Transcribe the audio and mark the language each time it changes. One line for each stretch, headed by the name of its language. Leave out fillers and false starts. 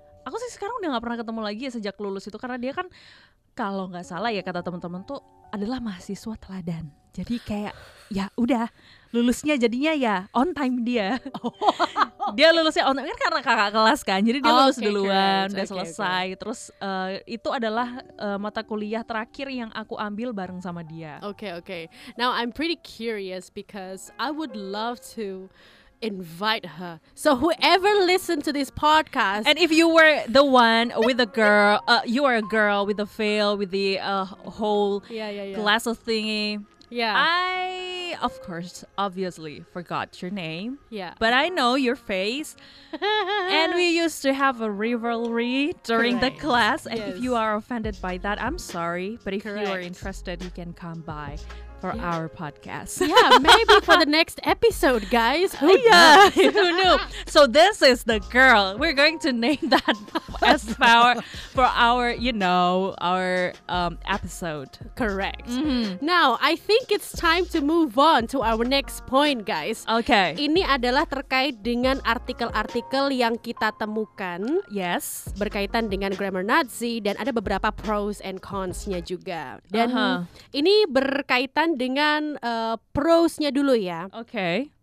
Indonesian: Aku sih sekarang udah gak pernah ketemu lagi ya sejak lulus itu karena dia kan. Kalau nggak salah ya kata teman-teman tuh adalah mahasiswa teladan. Jadi kayak ya udah lulusnya jadinya ya on time dia. Dia lulusnya on time kan karena kakak kelas kan. Jadi dia lulus okay, duluan udah okay, selesai. Okay. Terus itu adalah mata kuliah terakhir yang aku ambil bareng sama dia. Oke okay, oke.
English: Okay. Now I'm pretty curious because I would love to invite her. So whoever listened to this podcast, and if you were the one with a girl, you are a girl with a veil, with the whole glass of thingy. Yeah, I of course obviously forgot your name. Yeah, but I know your face, and we used to have a rivalry during Correct. The class. And yes. if you are offended by that, I'm sorry. But if Correct. You are interested, you can come by. For yeah. our podcast. Yeah, maybe for the next episode, guys. Who yeah, who knew? So this is the girl. We're going to name that as power for our, you know, our episode. Correct. Mm-hmm. Now, I think it's time to move on to our next point, guys. Okay.
Indonesian: Ini adalah terkait dengan artikel-artikel yang kita temukan.
English: Yes.
Indonesian: Berkaitan dengan grammar Nazi dan ada beberapa pros and cons- nya juga. Dan uh-huh. ini berkaitan dengan pros-nya dulu ya. Oke.
English: Okay.